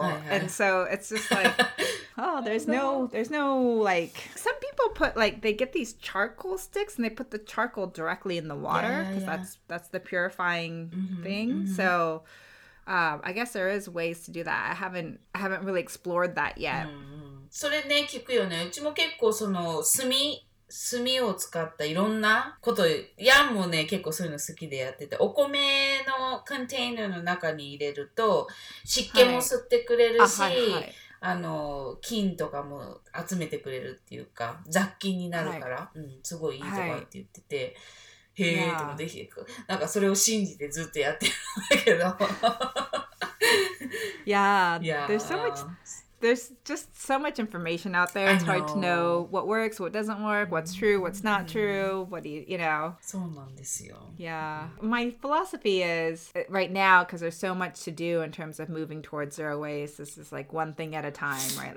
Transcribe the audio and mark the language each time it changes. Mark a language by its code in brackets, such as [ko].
[en] And so it's just like, oh, there's no like, some people put like, they get these charcoal sticks and they put the charcoal directly in the water because that's the purifying thing. So I guess there is ways to do that. I haven't really explored that yet. [ja] それね、聞くよね。うちも結構その炭を使ったいろんなこと、ヤンもね、結構そういうの好きでやってて、お米のコンテイナーの中に入れると湿気も吸ってくれるし、あの菌とかも集めてくれるっていうか雑菌になるから、すごいいいとかって言ってて、へえとかできる。なんかそれを信じてずっとやってるんだけど。 [en] Yeah, there's so much. There's just so much information out there. It's hard to know what works, what doesn't work, what's true, what's not true, what do you know. [ja] そうなんですよ。 [en] Yeah. My philosophy is, right now, because there's so much to do in terms of moving towards zero waste, this is like one thing at a time, right?